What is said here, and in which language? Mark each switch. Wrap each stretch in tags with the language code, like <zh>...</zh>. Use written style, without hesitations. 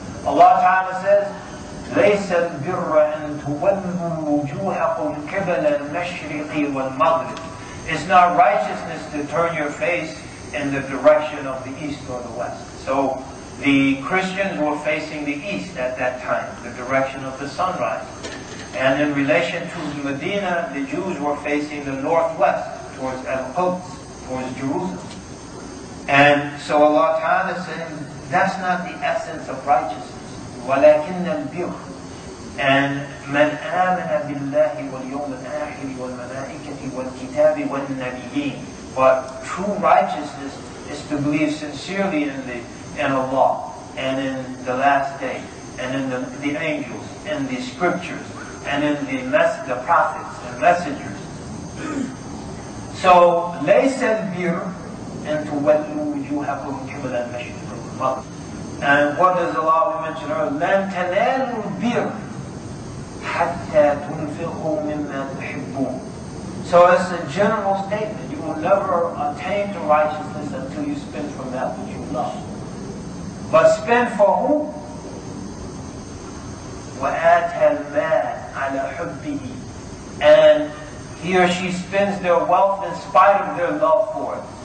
<en>Allah Ta'ala says,</en> <ar>لَيْسَ الْبِرَّ أَن تُوَلُّوا وُجُوهَكُمْ قِبَلَ الْمَشْرِقِ وَالْمَغْرِبِ.</ar> <en>It's not righteousness to turn your face in the direction of the east or the west. So the Christians were facing the east at that time, the direction of the sunrise. And in relation to Medina, the Jews were facing the northwest, towards Al-Quds, towards Jerusalem. And so Allah Ta'ala is saying, that's not the essence of righteousness.</en> <ar>وَلَكِنَّ الْبِرْ</ar> <en>And</en> <ar>مَنْ آمَنَ بِاللَّهِ وَالْيَوْمِ الْآخِرِ وَالْمَلَائِكَةِ وَالْكِتَابِ وَالنَّبِيِّينَ</ar> <en>But true righteousness is to believe sincerely in Allah, and in the last day, and in the angels, and the scriptures, and in the prophets and messengers.</en> <ar>So, لَيْسَ الْبِرْ أَن تُوَلُّوا وُجُوهَكُمْ قِبَلَ الْمَشْرِقِ وَالْمَغْرِبِ</ar> <en>And what does Allah mention earlier?</en> <ar>لَن تَنَالُوا الْبِرْ حَتَّى تُنْفِقُوا مِمَّا تُحِبُّونَ</ar> <en>So it's a general statement. You will never attain to righteousness until you spend from that which you love. But spend for who?</en> <ar>وَآتَى الْمَالَ عَلَى حُبِّهِ</ar> <en>And he or she spends their wealth in spite of their love for it.</en>